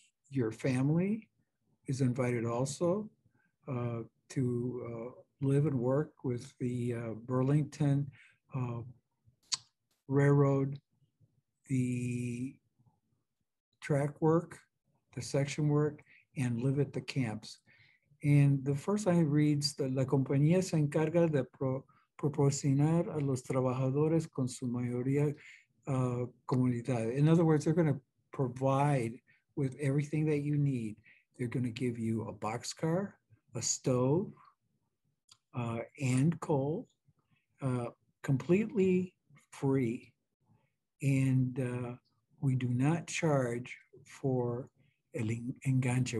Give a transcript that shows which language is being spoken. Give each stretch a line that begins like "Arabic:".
English: Your family is invited also to live and work with the Burlington Railroad the track work, the section work, and live at the camps. And the first line reads,
Spanish: La compañía se encarga de proporcionar a los trabajadores con su mayoría comunidad.
English: In other words, they're going to provide with everything that you need. They're going to give you a boxcar, a stove, and coal, completely free. And we do not charge for el enganche.